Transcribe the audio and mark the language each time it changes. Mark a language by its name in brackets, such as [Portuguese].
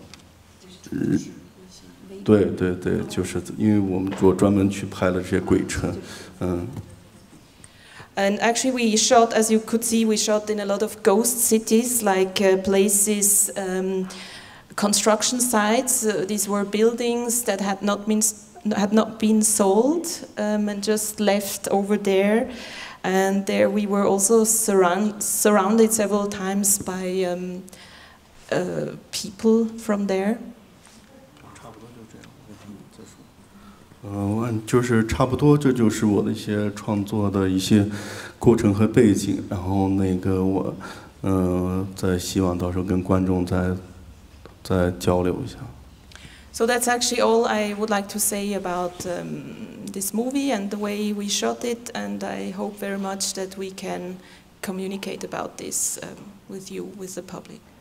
[Chinese] 在影片中我们也拍摄了一些那个在中国所谓的鬼城这种房地产的过度的开发，但是这些楼房也都没有卖掉，然后那在我们在拍摄在一个鬼城的时候，然后就是当时被这个房地产公司可能大概有二十多个人围住了我们。对对对，就是因为我们做专门去拍了这些鬼城， [English] And actually, we shot, as you could see, we shot in a lot of ghost cities, like places, construction sites. These were buildings that had not been sold and just left over there. And there we were also surrounded several times by people from there. [Chinese] 就是差不多，这就是我的一些创作的一些过程和背景。然后那个我，再希望到时候跟观众再交流一下。 [English] So that's actually all I would like to say about this movie and the way we shot it. And I hope very much that we can communicate about this with you, with the public.